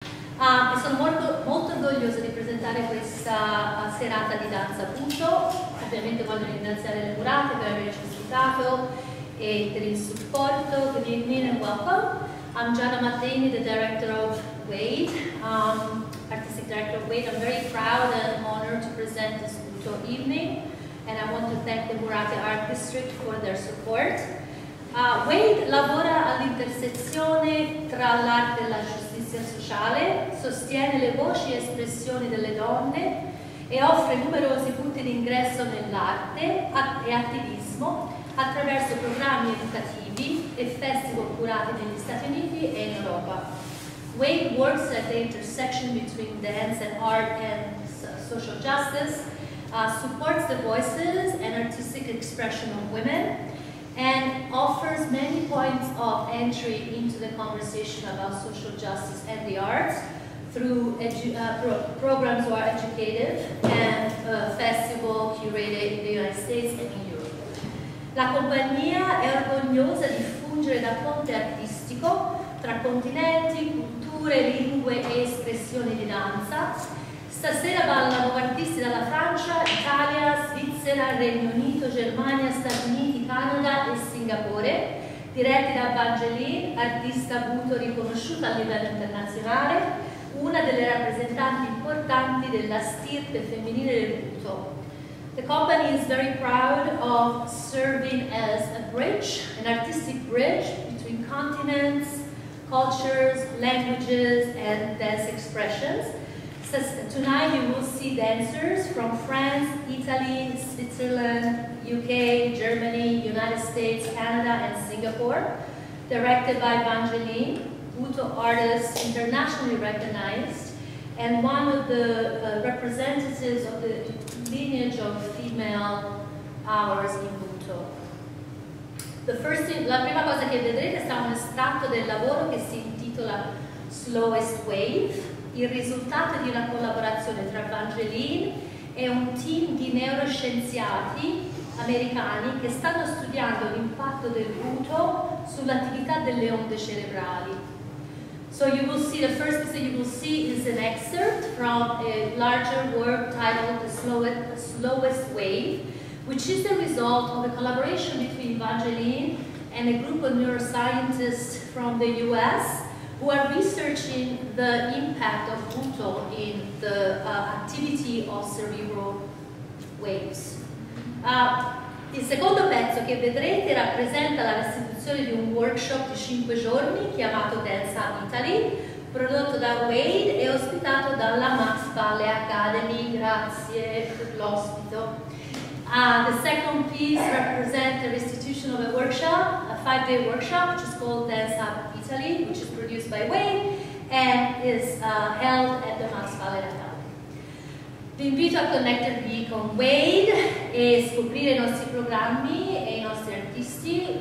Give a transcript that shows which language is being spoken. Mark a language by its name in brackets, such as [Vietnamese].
[Italian] E sono molto, molto orgogliosa di presentare questa serata di danza Puccio. Ovviamente voglio ringraziare le curate per averci ospitato e per il supporto. [English] Good evening and welcome. I'm Gianna Mattini, the director of WADE, artistic director of WADE. I'm very proud and honored to present this Puccio evening, and I want to thank the Murate Art District for their support. [Italian] WADE lavora all'intersezione tra l'arte e la giustizia sociale, sostiene le voci e espressioni delle donne e offre numerosi punti di ingresso nell'arte e attivismo attraverso programmi educativi e festival curati negli Stati Uniti e in Europa. [English] WADE works at the intersection between dance and art and social justice, supports the voices and artistic expression of women, and offers many points of entry into the conversation about social justice and the arts through programs who are educative and festival curated in the United States and in Europe. [Italian] La compagnia è orgogliosa di fungere da ponte artistico tra continenti, culture, lingue e espressioni di danza. Stasera ballano artisti dalla Francia, Italia, Svizzera, Regno Unito, Germania, Stati Uniti, Canada e Singapore, diretti da Vangeline, artista Puccio riconosciuta a livello internazionale, una delle rappresentanti importanti della stirpe femminile del Puccio. [English] The company is very proud of serving as a bridge, an artistic bridge between continents, cultures, languages and dance expressions. Tonight you will see dancers from France, Italy, Switzerland, UK, Germany, United States, Canada and Singapore, directed by Vangeline, Puccio artist internationally recognized and one of the representatives of the lineage of female hours in Puccio. [Italian] La prima cosa che vedrete sarà un estratto del lavoro che si intitola Slowest Wave, il risultato di una collaborazione tra Vangeline e un team di neuroscienziati americani che stanno studiando l'impatto del Puccio sull'attività delle onde cerebrali. [English] So you will see, the first thing you will see is an excerpt from a larger work titled The Slowest Wave, which is the result of a collaboration between Vangeline and a group of neuroscientists from the US who are researching the impact of Puccio in the activity of cerebral waves. [Italian] Il secondo pezzo che vedrete rappresenta la restituzione di un workshop di 5 giorni chiamato Dance Italy, prodotto da WADE e ospitato dalla Max Valle Academy. Grazie per l'ospito. [English] The second piece represents the restitution of a workshop, a 5-day workshop, which is called Dance Up Italy, which is produced by WADE and is held at the Max Valle Academy. [Italian] Vi invito a connettervi con WADE e scoprire i nostri programmi e i nostri artisti.